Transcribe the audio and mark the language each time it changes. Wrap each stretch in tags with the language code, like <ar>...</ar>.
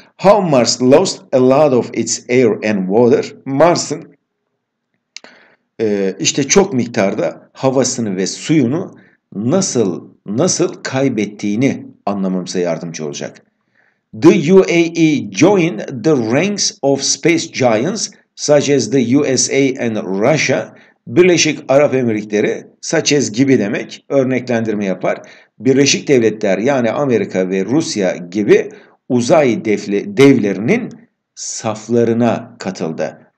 <en>How Mars lost a lot of its air and water.</en> <tr>Mars'ın işte çok miktarda havasını ve suyunu nasıl kaybettiğini anlamamıza yardımcı olacak.</tr> <en>The UAE joined the ranks of space giants such as the USA and Russia.</en> <tr>Birleşik Arap Emirlikleri,</tr> <en>such as</en> <tr>gibi demek, örneklendirme yapar. Birleşik Devletler, yani Amerika ve Rusya gibi uzay devlerinin saflarına katıldı.</tr>